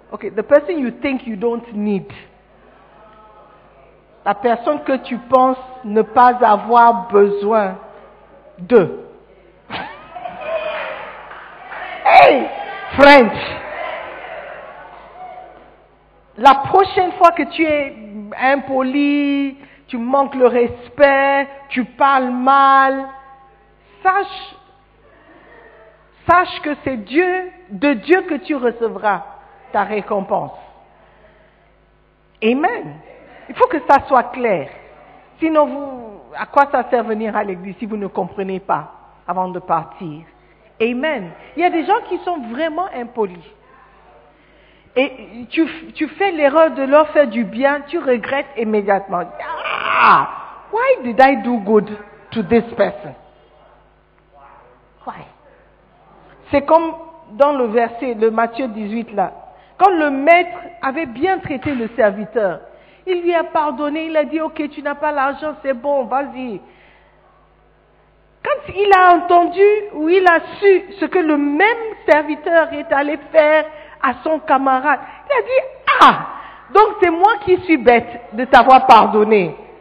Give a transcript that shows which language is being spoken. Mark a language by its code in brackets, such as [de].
[en] the person you think you don't need. [fr] La personne que tu penses ne pas avoir besoin de. [en] Hey, French. [fr] La prochaine fois que tu es impoli, tu manques le respect, tu parles mal, sache que c'est Dieu, de Dieu que tu recevras ta récompense. Amen. Il faut que ça soit clair. Sinon, vous, à quoi ça sert venir à l'église si vous ne comprenez pas avant de partir? Amen. Il y a des gens qui sont vraiment impolis. Et tu fais l'erreur de leur faire du bien, tu regrettes immédiatement. [en] Ah, why did I do good to this person? Why? [fr] C'est comme dans le verset, le Matthieu 18 là. Quand le maître avait bien traité le serviteur, il lui a pardonné, il a dit, ok, tu n'as pas l'argent, c'est bon, vas-y. Quand il a entendu ou il a su ce que le même serviteur est allé faire à son camarade, il a dit, ah, donc c'est moi qui suis bête de t'avoir pardonné.